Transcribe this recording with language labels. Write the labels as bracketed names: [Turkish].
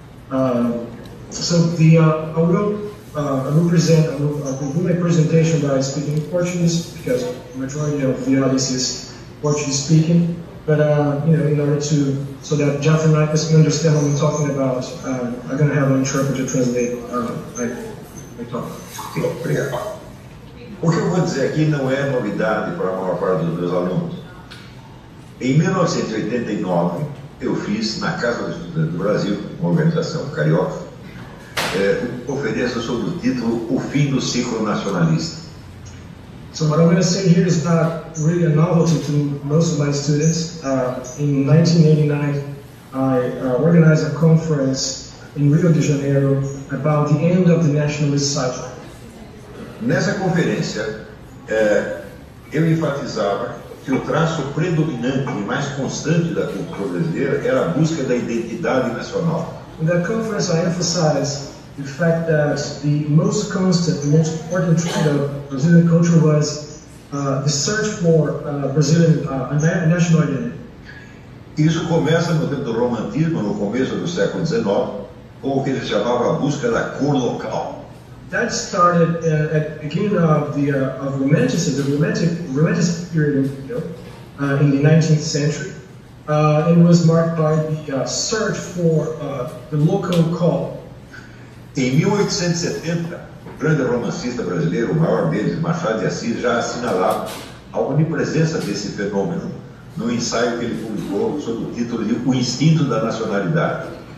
[English] I will do my presentation by speaking Portuguese, because the majority of the audience is Portuguese speaking. But so that Jeff and I can understand what I'm talking about, I'm going to have an interpreter translate my talk. [Portuguese] Obrigado. O que eu vou dizer aqui não é novidade para a maior parte dos meus alunos. Em 1989, eu fiz na Casa dos Estudantes do Brasil, uma organização carioca, conferência sobre o título O Fim do Ciclo Nacionalista. [English] So what I'm going to say here is not really a novelty to most of my students. In 1989, I organized a conference in Rio de Janeiro about the end of the nationalist cycle. [Portuguese] Nessa conferência, eu enfatizava que o traço predominante e mais constante da cultura brasileira era a busca da identidade nacional. [English] In that conference, I emphasized the fact that the most constant, the most important trait of Brazilian culture was the search for Brazilian national identity. [Portuguese] Isso começa no tempo do romantismo, no começo do século XIX, com o que eles chamavam a busca da cor local. [English] That started at the beginning of the romanticism, the romantic period, in the 19th century. It was marked by the search for the local call. [Portuguese] Em 1870, o grande romancista brasileiro, o maior deles, Machado de Assis, já assinalava a omnipresença desse fenômeno no ensaio que ele publicou sob o título de O Instinto da Nacionalidade.